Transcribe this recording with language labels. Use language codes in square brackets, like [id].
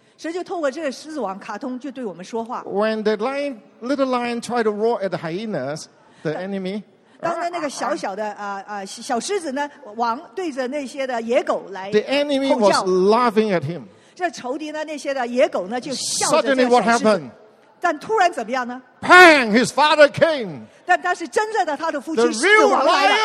[zh] 神就透过这个狮子王卡通就对我们说话。 [en] When the lion, little lion tried to roar at the hyenas, the enemy. [zh] 当那个小小的小狮子呢，王对着那些的野狗来吼叫。 [en] The enemy was laughing at him. [zh] 这仇敌呢，那些的野狗呢，就笑着。 [en] Suddenly, what happened? [zh] 但突然怎么样呢？ [en] Bang! His father came. [zh] 但是真正的他的父亲狮子王来了。